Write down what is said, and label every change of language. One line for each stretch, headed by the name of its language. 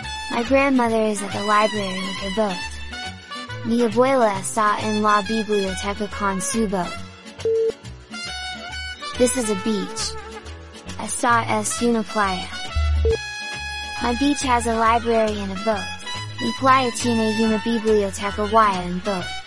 English: My grandmother is at the library with her boat.
Spanish: Mi abuela está en la biblioteca con su boat.
English: This is a beach.
Spanish: Esta es una playa.
English: My beach has a library and a boat.
Spanish: Mi playa tiene una biblioteca y un boat.